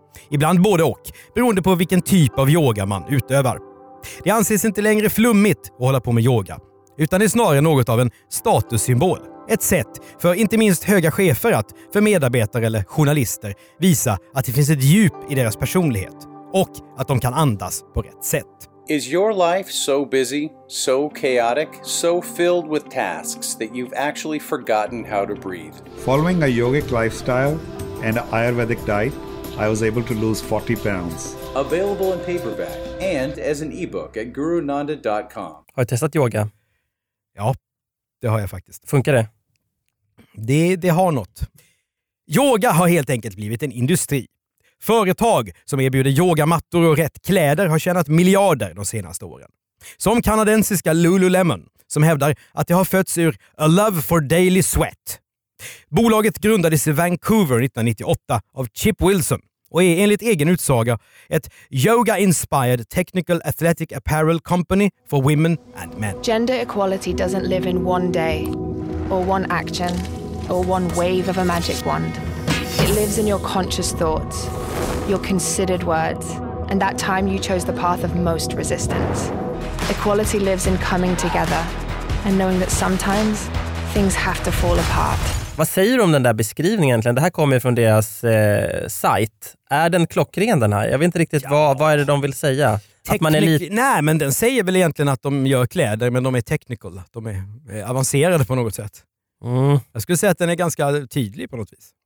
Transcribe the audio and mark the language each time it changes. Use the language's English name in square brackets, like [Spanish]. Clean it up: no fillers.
[Swedish] Ibland både och, beroende på vilken typ av yoga man utövar. Det anses inte längre flummigt att hålla på med yoga, utan är snarare något av en statussymbol. Ett sätt för inte minst höga chefer att för medarbetare eller journalister visa att det finns ett djup i deras personlighet och att de kan andas på rätt sätt. [English] Is your life so busy, so chaotic, so filled with tasks that you've actually forgotten how to breathe? Following a yogic lifestyle and Ayurvedic diet, I was able to lose 40 pounds. Available in paperback and as an ebook at gurunanda.com. [Swedish] Har du testat yoga? Ja, det har jag faktiskt. Funkar det? Det har något. Yoga har helt enkelt blivit en industri. Företag som erbjuder yogamattor och rätt kläder har tjänat miljarder de senaste åren. Som kanadensiska Lululemon som hävdar att det har fötts ur [English] a love for daily sweat. [Swedish] Bolaget grundades i Vancouver 1998 av Chip Wilson och är enligt egen utsaga ett [English] yoga-inspired technical athletic apparel company for women and men. Gender equality doesn't live in one day or one action or one wave of a magic wand. It lives in your conscious thoughts, your considered words, and that time you chose the path of most resistance. Equality lives in coming together and knowing that sometimes things have to fall apart. [Swedish] Vad säger du om den där beskrivningen egentligen? Det här kommer ju från deras sajt. Är den klockren den här? Jag vet inte riktigt, ja. vad är det de vill säga? Nej, men den säger väl egentligen att de gör kläder, men de är technical. De är avancerade på något sätt. Mm. Jag skulle säga att den är ganska tydlig på något vis.